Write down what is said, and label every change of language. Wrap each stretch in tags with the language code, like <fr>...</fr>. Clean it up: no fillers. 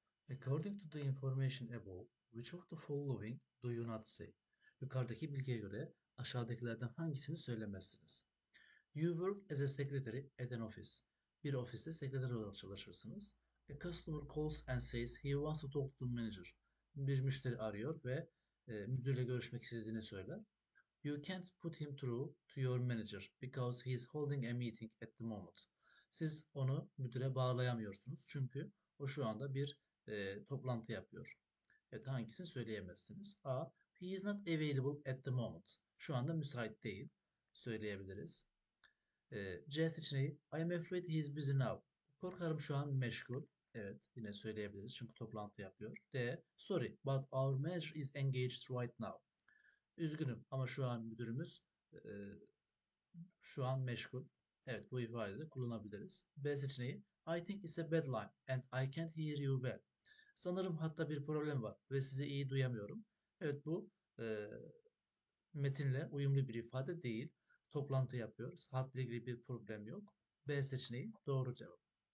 <en>According to the information above, which of the following do you not say?</en> <tr>Yukarıdaki bilgiye göre aşağıdakilerden hangisini söylemezsiniz?</tr> <en>You work as a secretary at an office.</en> <tr>Bir ofiste sekreter olarak çalışırsınız.</tr> <en>A customer calls and says he wants to talk to the manager.</en> <tr>Bir müşteri arıyor ve müdürle görüşmek istediğini söyler.</tr> <en>You can't put him through to your manager because he is holding a meeting at the moment.</en> <tr>Siz onu müdüre bağlayamıyorsunuz çünkü o şu anda bir toplantı yapıyor. Evet, hangisini söyleyemezsiniz?</tr> <en>A. He is not available at the moment.</en> <tr>Şu anda müsait değil. Söyleyebiliriz. C seçeneği.</tr> <en>I am afraid he is busy now.</en> <tr>Korkarım şu an meşgul. Evet, yine söyleyebiliriz çünkü toplantı yapıyor. D.</tr> <en>Sorry, but our manager is engaged right now.</en> <tr>Üzgünüm ama şu an müdürümüz şu an meşgul. Evet, bu ifadeyi de kullanabiliriz. B seçeneği.</tr> <en>I think it's a bad line and I can't hear you well.</en> <tr>Sanırım hatta bir problem var ve sizi iyi duyamıyorum. Evet, bu metinle uyumlu bir ifade değil. Toplantı yapıyoruz. Hatta ilgili bir problem yok. B seçeneği doğru cevap.</tr>